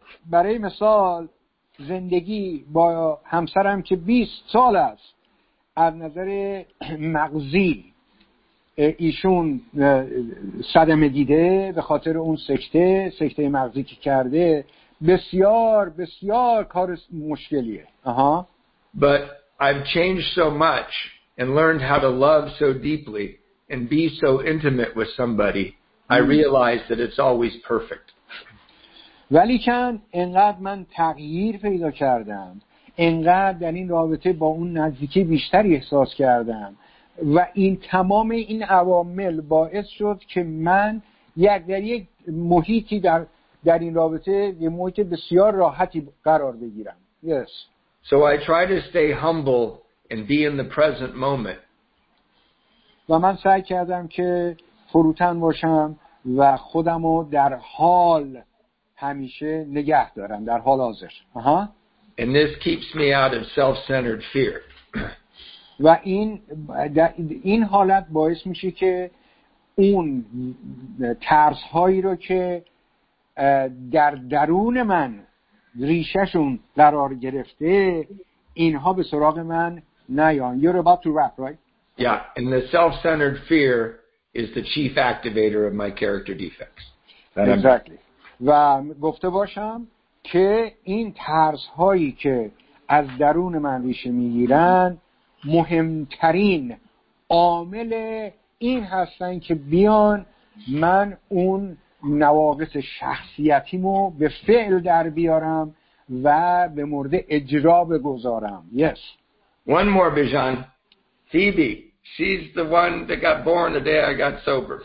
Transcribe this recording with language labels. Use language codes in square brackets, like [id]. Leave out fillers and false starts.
[fa] برای مثال زندگی با همسرم که 20 سال است از نظر مغزی ایشون صدمه دیده به خاطر اون سکته مغزی که کرده بسیار بسیار کار مشکلیه [en] But I've changed so much and learned how to love so deeply and be so intimate with somebody I realize that it's always perfect. [fa] ولی چند انقدر من تغییر پیدا کردم انقدر در این رابطه با اون نزدیکی بیشتری احساس کردم و این تمام این عوامل باعث شد که من در یک محیطی در این رابطه یه محیط بسیار راحتی قرار بگیرم. [en] Yes. So I try to stay humble and be in the present moment. [fa] و من سعی کردم که فروتن باشم و خودمو در حال همیشه نگه دارم در حال حاضر. [en] And this keeps me out of self-centered fear. [fa] و این حالت باعث میشه که اون ترس هایی رو که در درون من ریشه‌شون قرار گرفته اینها به سراغ من نیان. [en] You're about to wrap, right? Yeah, and the self-centered fear is the chief activator of my character defects. Exactly. [fa] و گفته باشم که این ترس هایی که از درون من ریشه میگیرن مهمترین عامل این هستن که بیان من اون نواقص شخصیتیمو به فعل در بیارم و به مورد اجرا بگذارم. Yes. [en] One more Bijan. Phoebe, She's the one that got born the day I got sober.